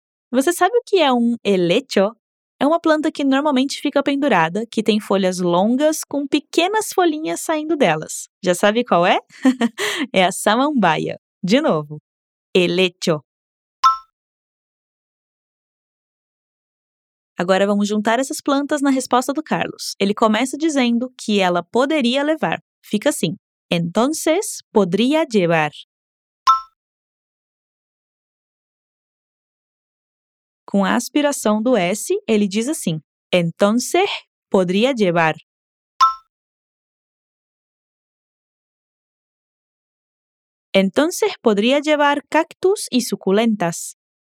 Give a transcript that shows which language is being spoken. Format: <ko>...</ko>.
<pt>Você sabe o que é um helecho? É uma planta que normalmente fica pendurada, que tem folhas longas com pequenas folhinhas saindo delas. Já sabe qual é? É a samambaia. De novo. Helecho. Agora vamos juntar essas plantas na resposta do Carlos. Ele começa dizendo que ela poderia levar. Fica assim.</pt> <es>Entonces, podría llevar.</es> <pt>Com a aspiração do S, ele diz assim.</pt> <es>Entonces, podría llevar. Entonces, podría llevar cactus y suculentas.</es>